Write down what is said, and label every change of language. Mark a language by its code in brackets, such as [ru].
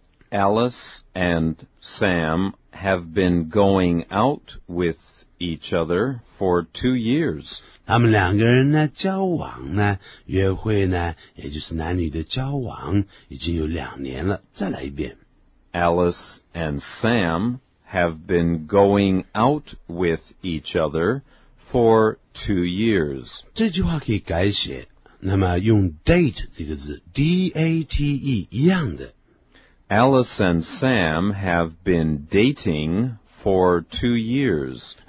[en] Alice and Sam have been going out with each other for 2 years. [zh] 他们两个人呢交往呢约会呢也就是男女的交往已经有两年了。再来一遍。 [en] Alice and Sam have been going out with each other for 2 years. [zh] 这句话可以改写那么用 date 这个字 ,D-A-T-E, 一样的。 [en] Alice and Sam have been dating for 2 years.